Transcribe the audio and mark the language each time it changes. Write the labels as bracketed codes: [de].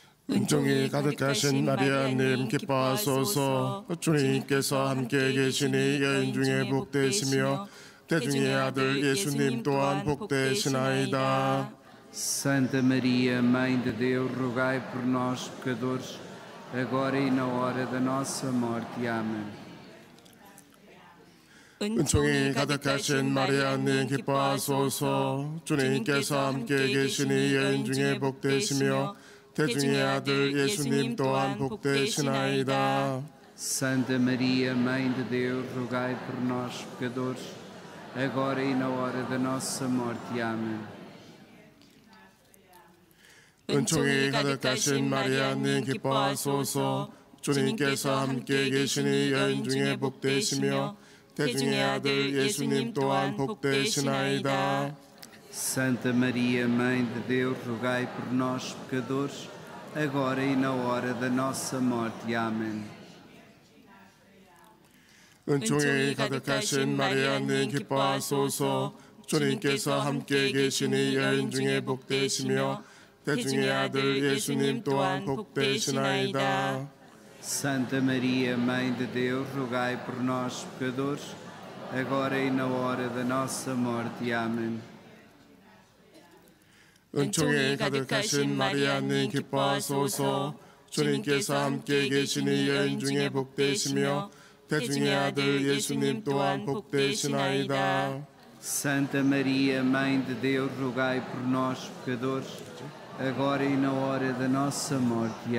[ko] 은총이 가득하신 마리아 님 기뻐하소서. 주님께서 함께 계시니 여인 중에 복되시며 대중의 아들 예수님 또한 복되시나이다. [pt] Santa Maria, Mãe de Deus, rogai por nós, pecadores, agora e na hora da nossa morte. Amém. [ko] 은총이 가득하신 마리아 님 기뻐하소서. 주님께서 함께 계시니 여인 중에 복되시며 대중의 아들 예수님 또한 복되시나이다. [pt] Santa Maria, Mãe de Deus, rogai por nós, pecadores, agora e na hora da nossa morte. Amém. [ko] 은총이 가득하신 마리아 님 기뻐하소서. 주님께서 함께 계시니 여인 중에 복되시며 대중의 아들 예수님 또한 복되시나이다. [pt] Santa Maria, Mãe de Deus, rogai por nós, pecadores, agora e na hora da nossa morte. Amém. [ko] 은총이 가득하신 마리아 님 기뻐하소서. 주님께서 함께 계시니 여인 중에 복되시며 대중의 아들 예수님 또한 복되시나이다. [pt] Santa Maria, Mãe de Deus, rogai por nós, pecadores, agora e na hora da nossa morte. Amém. [ko] 은총이 가득하신 마리아 님 기뻐하소서. 주님께서 함께 계시니 여인 중에 복되시며 대중의 아들 예수님 또한 복되시나이다. [pt] Santa Maria, Mãe de Deus, rogai por nós, pecadores, agora e na hora da nossa morte.